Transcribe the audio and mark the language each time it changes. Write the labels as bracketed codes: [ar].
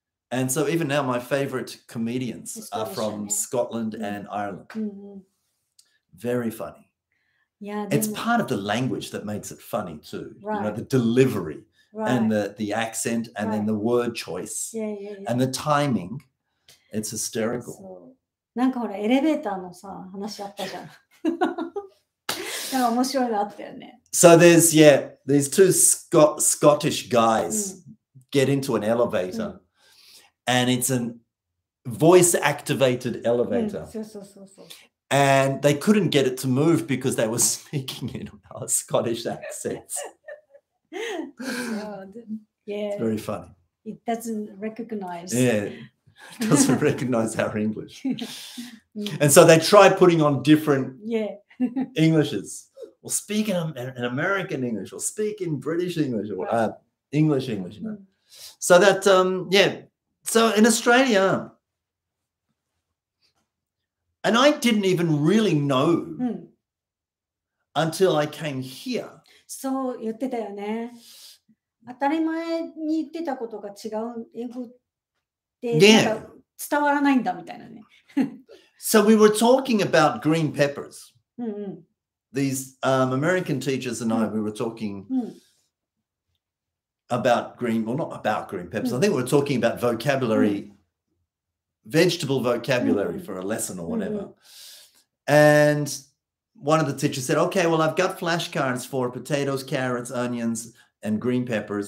[en] And so even now, my favorite comedians are from Scotland and Ireland. Very funny. Yeah, it's part of the language that makes it funny too. Right. You know, the delivery and the accent and then the word choice and the timing. It's hysterical. [ja] なんかほらエレベーターのさ話あったじゃん。なんか面白いのあったよね。 [en] So there's, yeah, these two Scottish guys get into an elevator and it's a voice activated elevator. And they couldn't get it to move because they were speaking in a Scottish accent. It's very funny. It doesn't recognize. Yeah. Doesn't recognize our English. And so they try putting on different Englishes. Or speak in American English, or speak in British English, or English English. You know? So that, so in Australia, and I didn't even really know until I came here. [ja] そう言ってたよね。当たり前に言ってたことが違う英語で伝わらないんだみたいなね。 [en] So we were talking about green peppers. These American teachers and I, we were talking about green, well, not about green peppers. I think we were talking about vocabulary, vegetable vocabulary for a lesson or whatever. And one of the teachers said, okay, well, I've got flashcards for potatoes, carrots, onions, and green peppers.